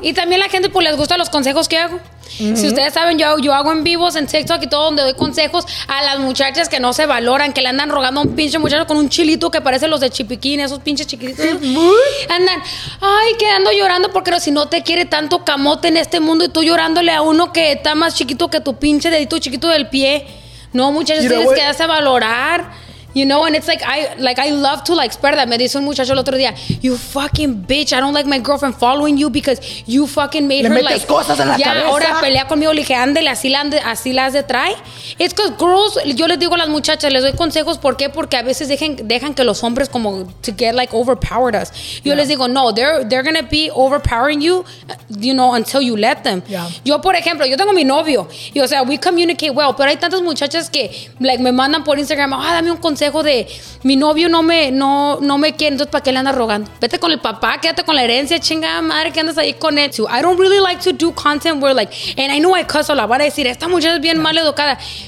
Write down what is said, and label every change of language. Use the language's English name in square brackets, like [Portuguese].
[Spanish] Y también la gente, pues, les gusta los consejos que hago. Si ustedes saben, yo hago en vivos, en TikTok y todo, donde doy consejos a las muchachas que no se valoran, que le andan rogando a un pinche muchacho con un chilito que parece los de Chipiquín, esos pinches chiquititos. Andan, ay, quedando llorando, porque si no te quiere tanto camote en este mundo y tú llorándole a uno que está más chiquito que tu pinche dedito chiquito del pie. No, muchachos, tienes que darse a valorar. [English] You know, and it's like, I love to like spread that. [Spanish] Me dice un muchacho el otro día, [English] you fucking bitch, I don't like my girlfriend following you because you fucking made [Spanish] le [English] her [Spanish] metes cosas en la cabeza. Ahora pelea conmigo, le dije, ándele, así las de trae. It's because girls, yo les digo a las muchachas, les doy consejos, ¿por qué? Porque a veces dejan que los hombres como [English] to get like overpowered us. [Spanish] Yo les digo, no, [English] they're gonna be overpowering you, you know, until you let them. Yeah. [Spanish] Yo, por ejemplo, yo tengo mi novio, y o sea, [English] we communicate well, [Spanish] pero hay tantas muchachas que like me mandan por Instagram, ah, dame un consejo de mi novio no me quiere, entonces ¿para qué le andas rogando? Vete con el papá, quédate con la herencia, chingada madre, que andas ahí con él. [English] So I don't really like to do content where like, and I know I cuss a lot, [Spanish] van a decir, esta muchacha es bien mal educada.